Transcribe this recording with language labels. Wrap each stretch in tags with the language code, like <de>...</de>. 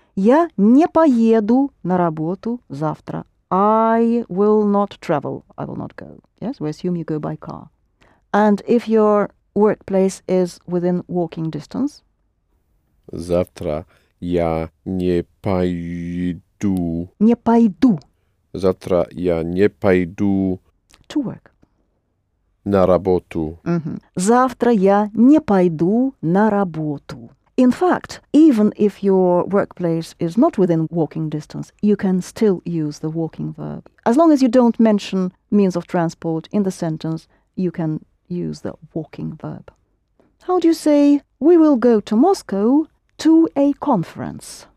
<ru>Я не поеду на работу завтра.</ru> <en>I will not travel. I will not go. Yes, we assume you go by car. And if your workplace is within walking distance?</en> <ru>Завтра я не пойду. Не пойду. Завтра я не пойду.</ru> <en>To work.</en> <ru>На работу. Mm-hmm. Завтра я не пойду на работу.</ru> <en>In fact, even if your workplace is not within walking distance, you can still use the walking verb. As long as you don't mention means of transport in the sentence, you can use the walking verb. How do you say, we will go to Moscow to a conference?</en>